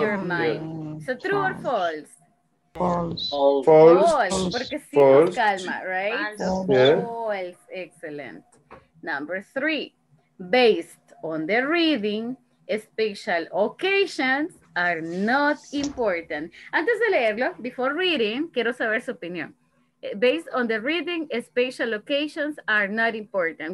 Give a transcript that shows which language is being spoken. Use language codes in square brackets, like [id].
[en] your mind. Yeah. So true or false? False. [es] Porque sí nos calma, right? [en] False. Excellent. Number three. Based on the reading, special occasions are not important. [es] Antes de leerlo, [en] before reading, [es] quiero saber su opinión. [en] Based on the reading, special occasions are not important.